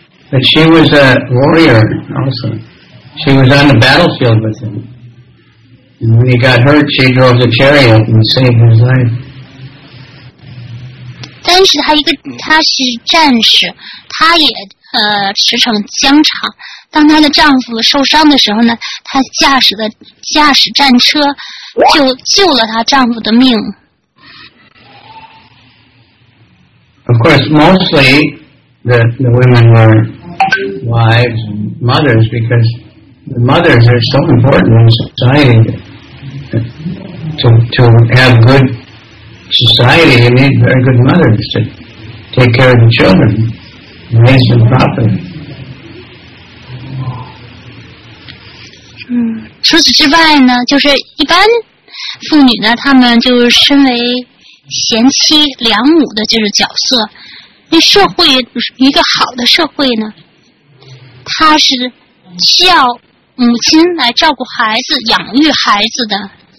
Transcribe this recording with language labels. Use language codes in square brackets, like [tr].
[en] But she was a warrior also. She was on the battlefield with him. And when he got hurt, she drove the chariot and saved his life. [zh] 但是她是战士，她也驰骋疆场。当她的丈夫受伤的时候呢，她驾驶战车，就救了她丈夫的命。 [en] Of course, mostly the women were wives and mothers because the mothers are so important in society to have good. Society, you need very good mothers to take care of the children, raise them properly. [zh] 除此之外呢，就是一般妇女呢，她们就身为贤妻良母的就是角色。那社会一个好的社会呢，她是需要母亲来照顾孩子、养育孩子的。